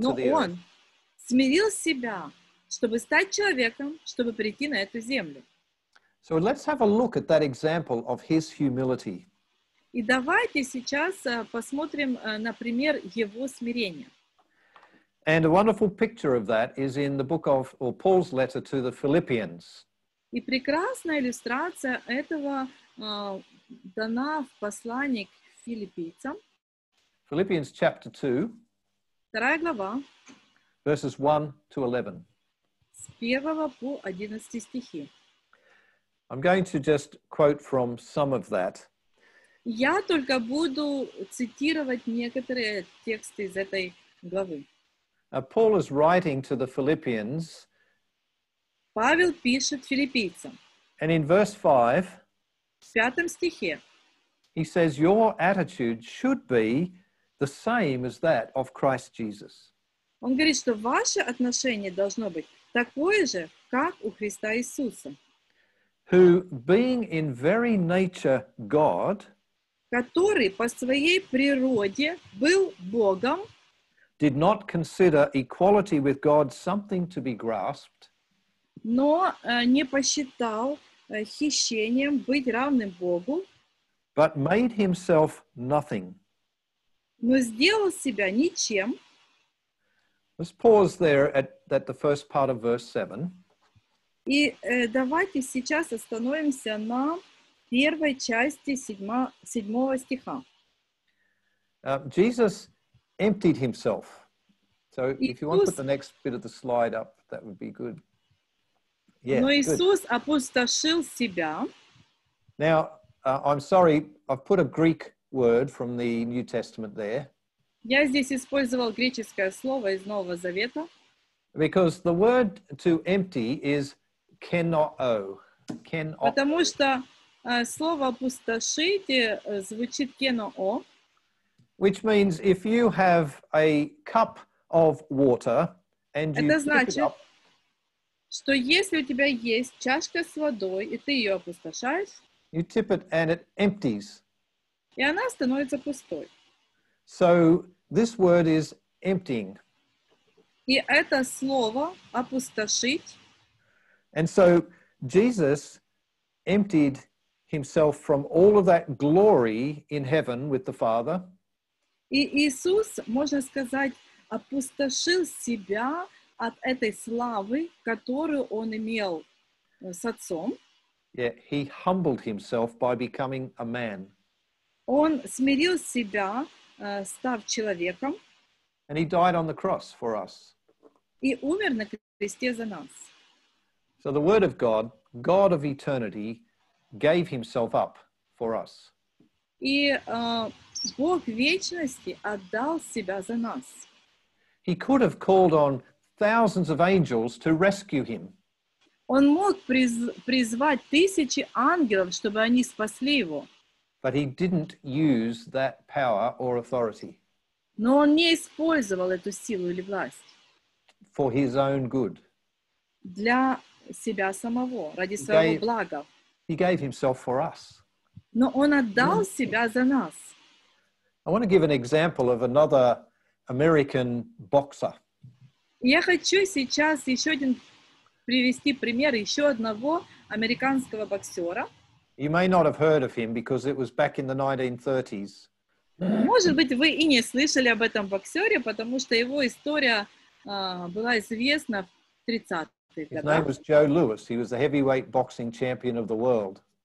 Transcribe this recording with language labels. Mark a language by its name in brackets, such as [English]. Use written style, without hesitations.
[Russian] Но [English] to the earth. [Russian] Но он смирил себя, чтобы стать человеком, чтобы прийти на эту землю. [English] So let's have a look at that example of his humility. [Russian] И давайте сейчас посмотрим, например, его смирение. [English] And a wonderful picture of that is in the book of, or Paul's letter to the Philippians. [Russian] И прекрасная иллюстрация этого дана в послании к филиппийцам. [English] Philippians chapter 2. [Russian] Вторая глава. [English] Verses 1 to 11. [Russian] С 1 по 11 стихи. [English] I'm going to just quote from some of that. [Russian] Я только буду цитировать некоторые тексты из этой главы. [English] Paul is writing to the Philippians. [Russian] Павел пишет филиппийцам. [English] And in verse 5, [Russian] в пятом стихе, [English] he says, your attitude should be the same as that of Christ Jesus. [Russian] Он говорит, что ваше отношение должно быть такое же, как у Христа Иисуса. [English] Who, being in very nature God, [Russian] который по своей природе был Богом, [English] did not consider equality with God something to be grasped, [Russian] но не посчитал хищением быть равным Богу, [English] but made himself nothing. [Russian] Но сделал себя ничем. [English] Let's pause there at the first part of verse 7. [Russian] И давайте сейчас остановимся на первой части седьмого стиха. [English] Jesus emptied himself. So if you want to put the next bit of the slide up, that would be good. [Russian] Yeah, но Иисус good. Опустошил себя. [English] Now, I'm sorry, I've put a Greek word from the New Testament there. [Russian] Я здесь использовал греческое слово из Нового Завета. [English] Because the word to empty is kenō. Kenō. [Russian] Потому что слово опустошить звучит kenō. [English] Which means if you have a cup of water and you [Russian] Это значит, что если у тебя есть чашка с водой, и ты ее опустошаешь, [English] you tip it and it empties. [Russian] И она становится пустой. [English] So this word is emptying. [Russian] И это слово опустошить. [English] And so Jesus emptied himself from all of that glory in heaven with the Father. [Russian] И Иисус, можно сказать, опустошил себя от этой славы, которую он имел с отцом. [English] Yeah, he humbled himself by becoming a man. [Russian] Он смирил себя, став человеком. [English] And he died on the cross for us. [Russian] И умер на кресте за нас. [English] So the word of God, God of eternity, gave himself up for us. [Russian] И Бог вечности отдал себя за нас. [English] He could have called on thousands of angels to rescue him. [Russian] Он мог призвать тысячи ангелов, чтобы они спасли его. [English] But he didn't use that power or authority. [Russian] Но он не использовал эту силу или власть. [English] For his own good. [Russian] Для себя самого, ради своего блага. [English] He gave himself for us. [Russian] Но он отдал себя за нас. [English] I want to give an example of another American boxer. [Russian] Я хочу сейчас еще один привести пример еще одного американского боксера. [English] You may not have heard of him because it was back in the 1930s. [Russian] Может быть, вы и не слышали об этом боксере, потому что его история была известна в 30-х. [English] His name was Joe Louis. He was the heavyweight boxing champion of the world.